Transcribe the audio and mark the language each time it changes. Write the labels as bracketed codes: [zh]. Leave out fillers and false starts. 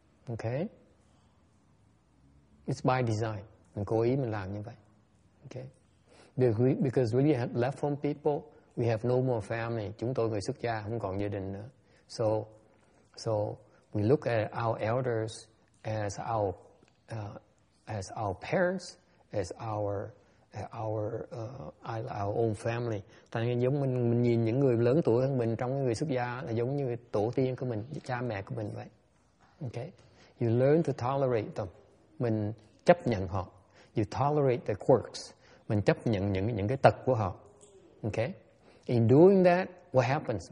[en] Okay? It's by design. [vi] Mình cố ý mình làm như vậy. [en] Okay? Because we have left home people, we have no more family. [vi] Chúng tôi người xuất gia không còn gia đình nữa. [en] So we look at our elders as our parents, as our own family. [vi] Thành ra giống mình nhìn những người lớn tuổi hơn mình trong người xuất gia là giống như tổ tiên của mình, cha mẹ của mình vậy. [en] Okay? You learn to tolerate them. [vi] Mình chấp nhận họ. [en] You tolerate the quirks. [vi] Mình chấp nhận những cái tật của họ. [en] Okay? In doing that, what happens?